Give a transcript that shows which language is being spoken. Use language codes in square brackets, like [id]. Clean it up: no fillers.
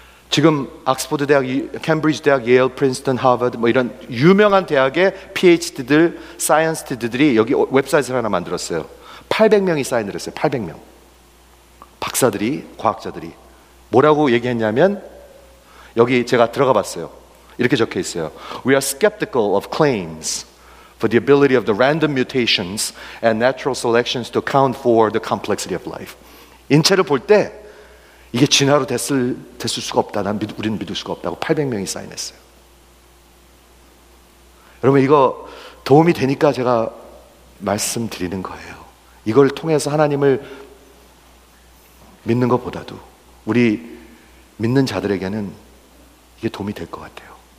[ko] 지금 옥스퍼드 대학, 캠브리지 대학, 예일, 프린스턴, 하버드 뭐 이런 유명한 대학의 PhD들, 사이언스트들이 여기 웹사이트를 하나 만들었어요. 800명이 사인을 했어요. 800명. 박사들이, 과학자들이. 뭐라고 얘기했냐면 여기 제가 들어가 봤어요. 이렇게 적혀 있어요. [en] We are skeptical of claims for the ability of the random mutations and natural selections to account for the complexity of life. [ko] 인체를 볼 때 이게 진화로 됐을 수가 없다. 우리는 믿을 수가 없다고 800명이 사인했어요. 여러분 이거 도움이 되니까 제가 말씀드리는 거예요. 이걸 통해서 하나님을 믿는 것보다도 우리 믿는 자들에게는 이게 도움이 될 것 같아요.